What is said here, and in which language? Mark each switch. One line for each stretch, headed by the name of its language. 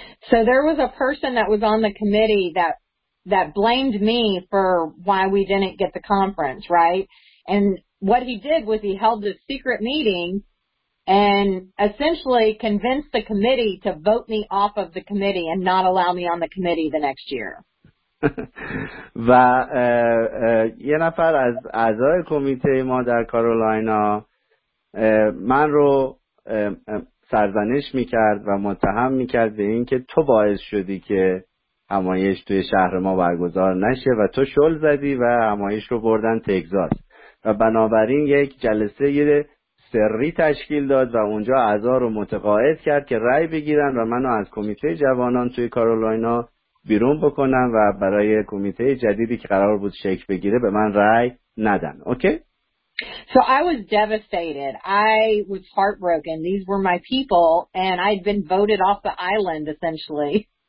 English: So there was a person that was on the committee that blamed me for why we didn't get the conference, right? And what he did was he held a secret meeting and essentially convinced the committee to vote me off of the committee and not allow me on the committee the next year.
Persian: و یه نفر از اعضای کمیته ما در کارولینا من رو سرزنش میکرد و متهم میکرد به این که تو باعث شدی که همایش توی شهر ما برگزار نشه و تو شل زدی و همایش رو بردن تگزاس و بنابراین یک جلسه سری تشکیل داد و اونجا اعضا رو متقاعد کرد که رأی بگیرن و منو از کمیته جوانان توی کارولینا بیرون بکنم و برای کمیته جدیدی که قرار بود شکل بگیره به من رأی ندن. اوکی؟
English: So I was devastated. I was heartbroken. These were my people and I'd been voted off the island essentially.